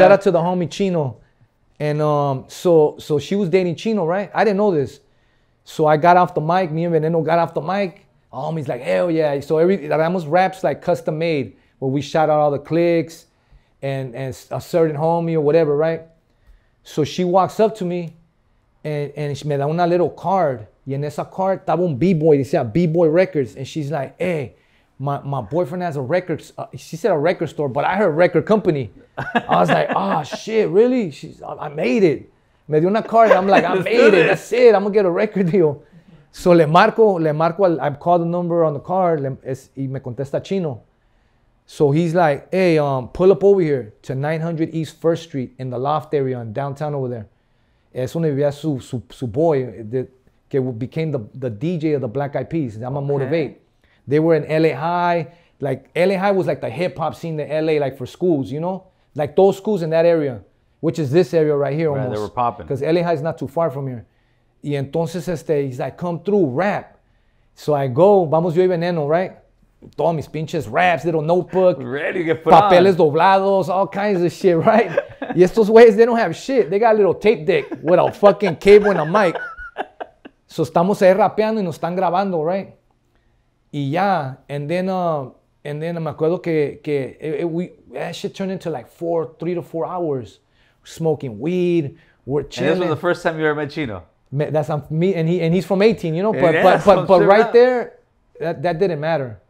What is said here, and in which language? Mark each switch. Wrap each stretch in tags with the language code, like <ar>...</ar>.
<en>Shout out to the homie Chino. And so she was dating Chino, right? I didn't know this. So I got off the mic. Me and Veneno got off the mic. Homie's like, hell yeah. So that almost raps like custom made, where we shout out all the clicks and a certain homie or whatever, right? So she walks up to me and she</en> <es>me da una</es> <en>little card.</en> <es>Y en esa card estaba un B-boy, decía B-boy Records.</es> <en>And she's like, hey, my boyfriend has a record. She said a record store, but I heard record company. I was like, oh, shit, really? I made it.</en> <es>Me dio una card.</es> <en>I'm like, I made it. That's it. I'm going to get a record deal. So</en> <es>le marco.</es> <en>I called the number on the card.</en> <es>Y me contesta Chino.</es> <en>So he's like, hey, pull up over here to 900 East 1st Street in the loft area in downtown over there.</en> <es>Es donde vivía su boy.</es> <en>It became the DJ of the Black Eyed Peas. I'm a Motivate. They were in LA High. Like, LA High was like the hip hop scene in LA, like for schools, you know? Like those schools in that area, which is this area right here almost. Yeah, they were popping. Because LA High is not too far from here.</en> <es>Y entonces</es> <en>he's like, come through, rap. So I go,</en> <es>vamos yo y Veneno,</es> <en>right?</en> <es>Todos mis pinches raps,</es> <en>little notebook. Ready to get put</en> <es>papeles</es> <en>on.</en> <es>Doblados,</es> <en>all kinds of shit, right?</en> <es>Y estos güeyes,</es> <en>they don't have shit. They got a little tape deck with a fucking cable and a mic.</en> <es>So estamos ahí rapeando y nos están grabando, right? Y ya,</es> <en>and then</en> <es>me acuerdo que</es> <en>that shit turned into like 3 to 4 hours, smoking weed, we're chilling. And this was the first time you ever met Chino. That's me, and he's from 18, you know. But yeah, but right out. There, that didn't matter.</en>